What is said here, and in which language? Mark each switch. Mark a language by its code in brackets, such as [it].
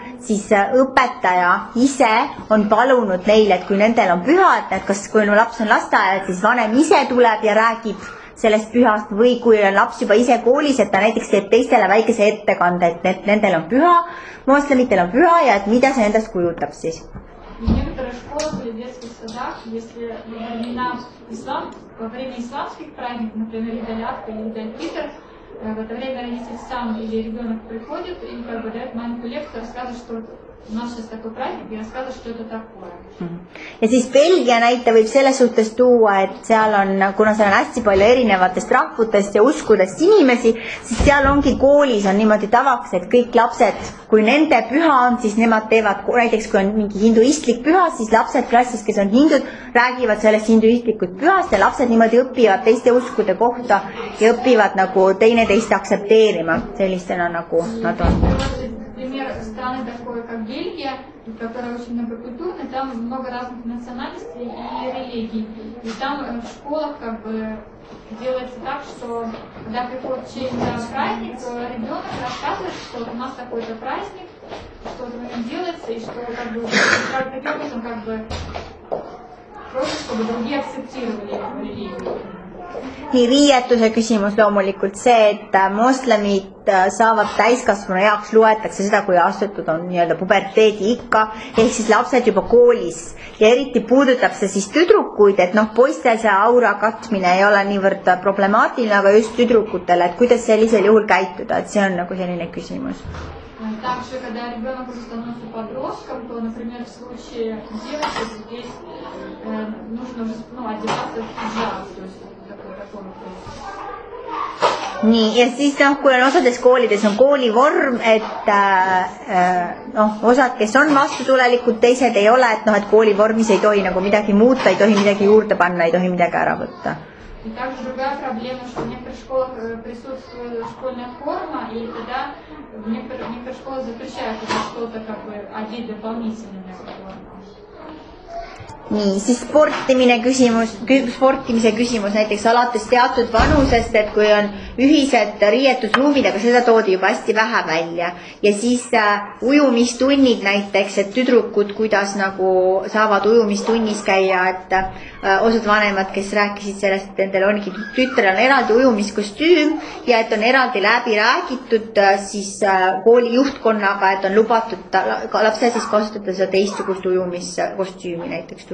[et] siis õpetaja ise on palunud neile, et kui nendel on pühad, et kas kui on laps on lasteaia, siis vanem ise tuleb ja räägib sellest pühast või kui on laps juba ise koolis, et ta näiteks teeb teistele väikese ettekande, et nendel on püha, moslemitel on püha ja et mida see endast kujutab siis. [ru] В некоторых школах или детских садах, если во время исламских праздников, например, Идалятка или Идальфитр, в это время родитель сам или ребенок приходит и как бы дает маленькую лекцию, рассказывает, что У нас сейчас такой праздник, я сказала, что это такое. [et] Ja siis Belgia näite võib selles suhtes tuua, et seal on, kuna seal on hästi palju erinevatest rahvutest ja uskudest inimesi, siis seal ongi koolis on niimoodi tavaks, et kõik lapsed, kui nende püha on, siis nemad teevad, näiteks kui on mingi hinduistlik püha, siis lapsed klassis, kes on hindud, räägivad sellest hinduistlikud pühast ja lapsed niimoodi õpivad teiste uskude kohta ja õpivad nagu teine teist aksepteerima sellistena nagu nad on. [ru] Например, страны такое, как Бельгия, которая очень многокультурная, там много разных национальностей и религий. И там в школах как бы делается так, что когда приходит чей-то праздник, то ребенок рассказывает, что у нас такой-то праздник, что в нем делается, и что как бы таким образом как бы просто, чтобы другие акцептировали эту религию. [et] Nii riietuse küsimus loomulikult see, et moslemid saavad täiskasvanu eaks loetakse seda, kui astutud on nii-öelda puberteedi ikka, ehk siis lapsed juba koolis ja eriti puudutab see siis tüdrukuid, et noh, poiste see aura katmine ei ole niivõrd problemaatiline, aga just tüdrukutele, et kuidas sellisel juhul käituda, et see on nagu selline küsimus. [ru] Так же, когда ребенок уже становится подростком, то, например, в случае девочки здесь нужно уже одеваться в пиджак, то есть такой. [et] Nii, ja siis noh, kui on osades koolides, on koolivorm, et noh, osad, kes on vastutulelikud, teised ei ole, et noh, et koolivormis ei tohi nagu midagi muuta, ei tohi midagi juurde panna, ei tohi midagi ära võtta. [ru] И также другая проблема, что в некоторых школах присутствует школьная форма, и тогда в некоторых школах запрещают это что-то как бы одеть дополнительную форму. [et] Nii, siis sportimine küsimus, sportimise küsimus näiteks alates teatud vanusest, et kui on ühised riietusruumid, aga seda toodi juba hästi vähe välja. Ja siis ujumistunnid näiteks, et tüdrukud, kuidas nagu saavad ujumistunnis käia, et osad vanemad, kes rääkisid sellest, et endel ongi tütre on eraldi ujumiskostüüm ja et on eraldi läbi räägitud siis kooli juhtkonnaga, et on lubatud lapse siis kasutada seda teistugust ujumiskostüümi näiteks.